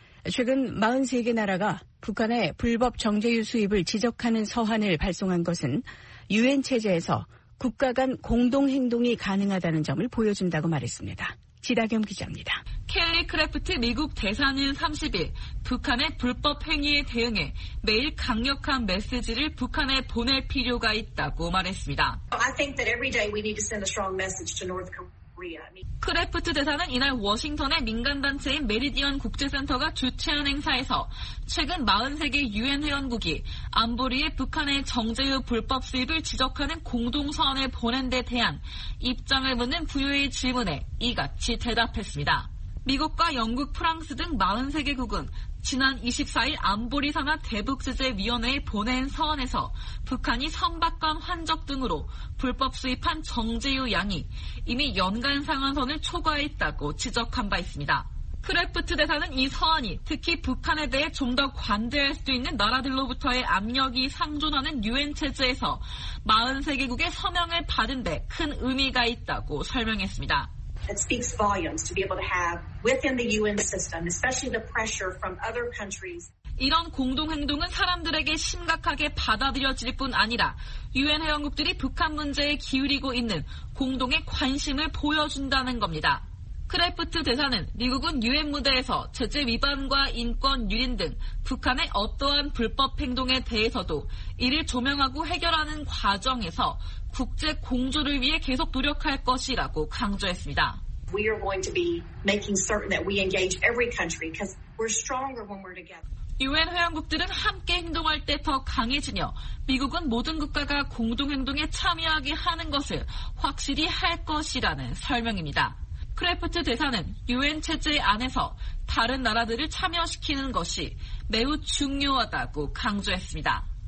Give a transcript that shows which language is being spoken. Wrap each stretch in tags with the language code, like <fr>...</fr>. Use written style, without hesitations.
<ko>최근 43개 나라가 북한의 불법 정제유 수입을 지적하는 서한을 발송한 것은 유엔 체제에서 국가 간 공동 행동이 가능하다는 점을 보여준다고 말했습니다. 지다겸 기자입니다. 켈리 크래프트 미국 대사는 30일 북한의 불법 행위에 대응해 매일 강력한 메시지를 북한에 보낼 필요가 있다고 말했습니다.</ko> <en>I think that every day we need to send a strong message to North Korea.</en> <ko>크래프트 대사는 이날 워싱턴의 민간단체인 메리디언 국제센터가 주최한 행사에서 최근 43개 유엔 회원국이 안보리에 북한의 정제유 불법 수입을 지적하는 공동서한을 보낸 데 대한 입장을 묻는 부유의 질문에 이같이 대답했습니다. 미국과 영국, 프랑스 등 43개국은 지난 24일 안보리 산하 대북제재위원회에 보낸 서한에서 북한이 선박관 환적 등으로 불법 수입한 정제유 양이 이미 연간 상한선을 초과했다고 지적한 바 있습니다. 크래프트 대사는 이 서한이 특히 북한에 대해 좀 더 관대할 수 있는 나라들로부터의 압력이 상존하는 유엔 체제에서 43개국의 서명을 받은 데 큰 의미가 있다고 설명했습니다.</ko> <en>It speaks volumes to be able to have within the UN system, especially the pressure from other countries.</en> <ko>이런 공동행동은 사람들에게 심각하게 받아들여질 뿐 아니라 유엔 회원국들이 북한 문제에 기울이고 있는 공동의 관심을 보여준다는 겁니다. 크래프트 대사는 미국은 유엔 무대에서 제재 위반과 인권 유린 등 북한의 어떠한 불법 행동에 대해서도 이를 조명하고 해결하는 과정에서 국제 공조를 위해 계속 노력할 것이라고 강조했습니다.</ko> <en>We are going to be making certain that we engage every country because we're stronger when we're together.</en> <ko>유엔 회원국들은 함께 행동할 때 더 강해지며 미국은 모든 국가가 공동행동에 참여하게 하는 것을 확실히 할 것이라는 설명입니다. 크래프트 대사는 유엔 체제 안에서 다른 나라들을 참여시키는 것이 매우 중요하다고 강조했습니다.</ko>